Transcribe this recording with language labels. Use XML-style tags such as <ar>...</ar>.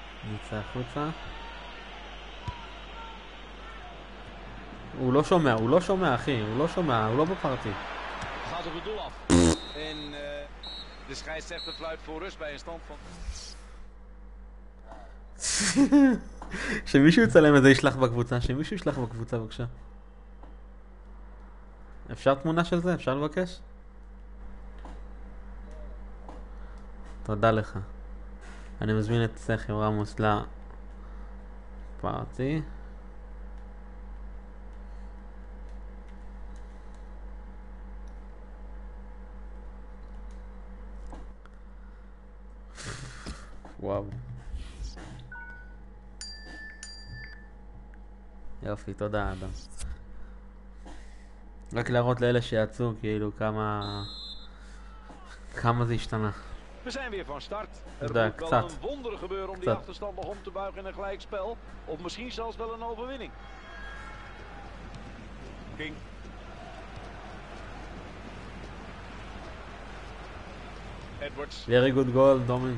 <nl>Niet zo goed, hè? Hoe lo schon mehr, achi. Gaat op het doel af. En de scheidsrechter fluit voor rust bij een stand van.</nl> <he>שמישהו יצלם את זה, ישלח בקבוצה. בבקשה. אפשר תמונה של זה? אפשר לבקש? תודה לך. אני מזמין את סכם רמוס לפארטי. וואו. יופי, תודה אדם. רק להראות לאלה שיצאו, כאילו כמה זה השתנה.</he> <nl>We zijn weer van start. Er moet wel een wonder gebeuren om die achterstand nog om te buigen in een gelijkspel. Of misschien zelfs wel een overwinning.</nl> <en>King. Edwards. Very good goal, Domin.</en>